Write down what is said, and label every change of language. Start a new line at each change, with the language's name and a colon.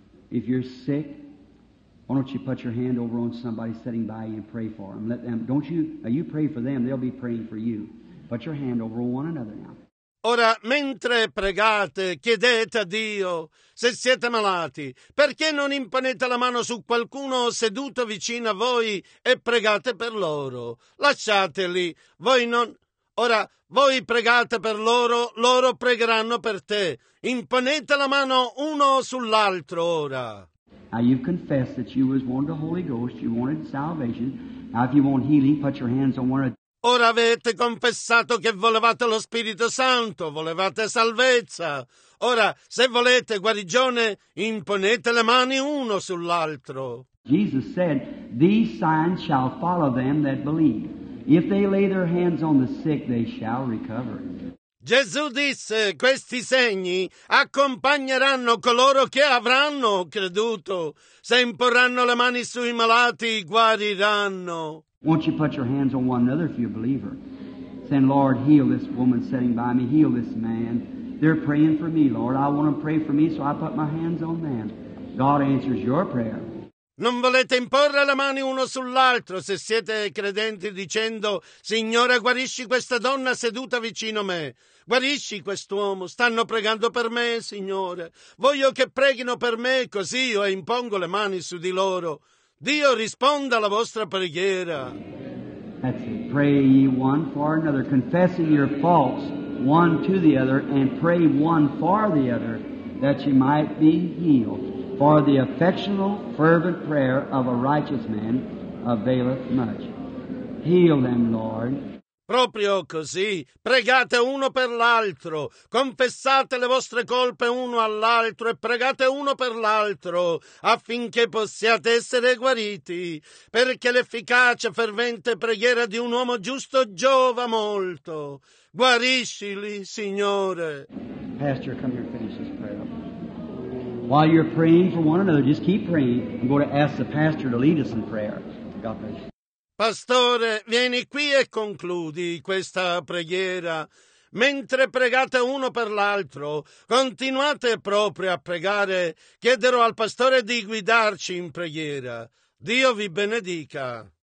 English: If you're sick, why don't you put your hand over on somebody sitting by you and pray for them. Let them, don't you, you pray for them, they'll be praying for you. Put your hand over one another now.
Italian: Ora, mentre pregate, chiedete a Dio, se siete malati, perché non imponete la mano su qualcuno seduto vicino a voi e pregate per loro? Lasciateli, voi non... Ora, voi pregate per loro, loro pregheranno per te. Imponete la mano uno sull'altro ora.
English: Now you've confessed that you was wanting the Holy Ghost, you wanted salvation. Now if you want healing, put your hands on one another.
Italian: Ora avete confessato che volevate lo Spirito Santo, volevate salvezza. Ora, se volete guarigione, imponete le mani uno sull'altro.
English: Jesus said, "These signs shall follow them that believe. If they lay their hands on the sick, they shall recover."
Italian: Gesù disse, questi segni accompagneranno coloro che avranno creduto. Se imporranno le mani sui malati, guariranno.
English: Won't you put your hands on one another if you're a believer? Saying, "Lord, heal this woman sitting by me, heal this man. They're praying for me, Lord. I want to pray for me, so I put my hands on them." God answers your prayer.
Italian: Non volete imporre le mani uno sull'altro se siete credenti dicendo, "Signore, guarisci questa donna seduta vicino a me. Guarisci quest'uomo. Stanno pregando per me, Signore. Voglio che preghino per me, così io impongo le mani su di loro." Dio risponda alla vostra preghiera.
English: That's it. Pray ye one for another, confessing your faults one to the other, and pray one for the other that you might be healed. For the affectional, fervent prayer of a righteous man availeth much. Heal them, Lord.
Italian: Proprio così, pregate uno per l'altro, confessate le vostre colpe uno all'altro e pregate uno per l'altro affinché possiate essere guariti, perché l'efficace, fervente preghiera di un uomo giusto giova molto. Guariscili, Signore.
English: Pastor, come here and finish this prayer. While you're praying for one another, just keep praying. I'm going to ask the pastor to lead us in prayer. God bless you.
Italian: Pastore, vieni qui e concludi questa preghiera. Mentre pregate uno per l'altro, continuate proprio a pregare. Chiederò al pastore di guidarci in preghiera. Dio vi benedica.